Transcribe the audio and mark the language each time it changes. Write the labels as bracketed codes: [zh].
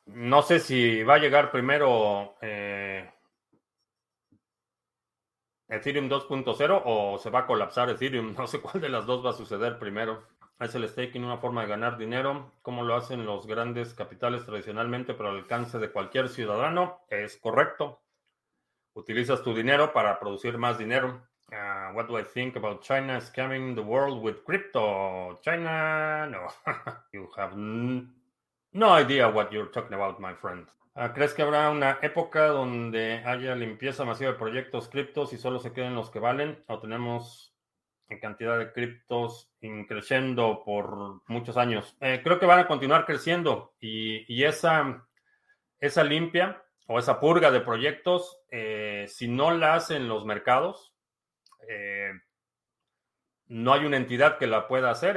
[es] No sé si va a llegar primero Ethereum 2.0 o se va a colapsar Ethereum. No sé cuál de las dos va a suceder primero. Es el staking una forma de ganar dinero, como lo hacen los grandes capitales tradicionalmente, pero al alcance de cualquier ciudadano. Es correcto. Utilizas tu dinero para producir más dinero. [en] What do I think about China scamming the world with crypto? China, no. You have no idea what you're talking about, my friend. [es] ¿Crees que habrá una época donde haya limpieza masiva de proyectos criptos y solo se queden los que valen? ¿O tenemos en cantidad de criptos creciendo por muchos años? Creo que van a continuar creciendo y esa limpia o esa purga de proyectos, si no la hacen los mercados, no hay una entidad que la pueda hacer.